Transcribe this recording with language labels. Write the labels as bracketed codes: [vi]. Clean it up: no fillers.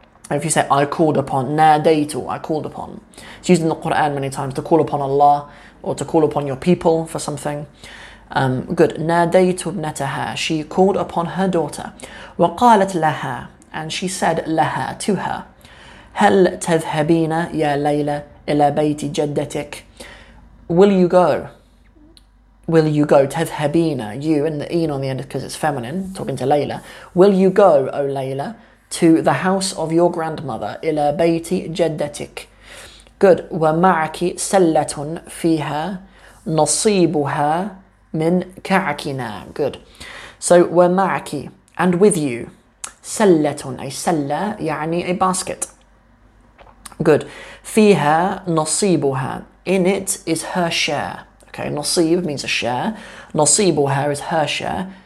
[en] If you say I called upon, nadaytu, I called upon. It's used in the Quran many times to call upon Allah or to call upon your people for something. Good. [ar] Nadaytu ibnataha. [en] She called upon her daughter. [ar] وقالت لها, [en] and she said لها to her. [ar] هل تذهبين يا ليلى إلى بيت جدتك. [en] Will you go? Will you go? تذهبين, you, and the een on the end because it's feminine, talking to Layla. Will you go, O Layla, to the house of your grandmother, [ar] إلى بيت جدتك. [en] Good. [ar] ومعك سلة فيها نصيبها من كعكنا. [en] Good. So ومعك, and with you, سلة, a سلة, يعني a basket. Good. [ar] فيها نصيبها. [en] In it is her share. Okay, نصيب means a share. نصيبها is her share.